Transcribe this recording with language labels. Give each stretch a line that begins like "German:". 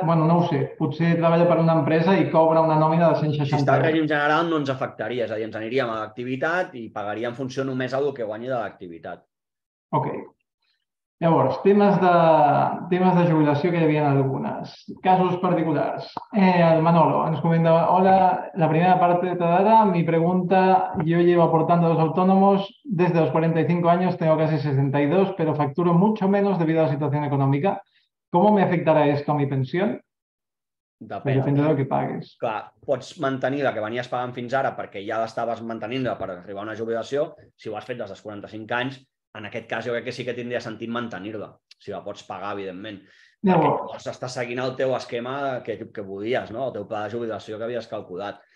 Catalan: Bueno, no ho sé. Potser treballa per una empresa i cobra una nòmina de 160 euros. Si està en règim general, no ens afectaria. És a dir, ens aniríem a l'activitat i pagaria en funció només del que guanyi de l'activitat. Ok. Llavors, temes de jubilació, que hi havia algunes. Casos particulars. El Manolo ens comenta...
Spanish: Hola, la primera parte de tu edad. Mi pregunta... Yo llevo aportando a los autónomos desde los 45 años, tengo casi 62, pero facturo mucho menos debido a la situación económica.
Catalan: ¿Com m'afectarà esto a mi pensió? Depèn del que pagues. Clar, pots mantenir la que venies pagant fins ara perquè ja l'estaves mantenint per arribar a una jubilació. Si ho has fet des dels 45 anys, en aquest cas jo crec que sí que tindria sentit mantenir-la. Si la pots pagar, evidentment. Llavors, estàs seguint el teu esquema que volies, no? El teu pla de jubilació que havies calculat.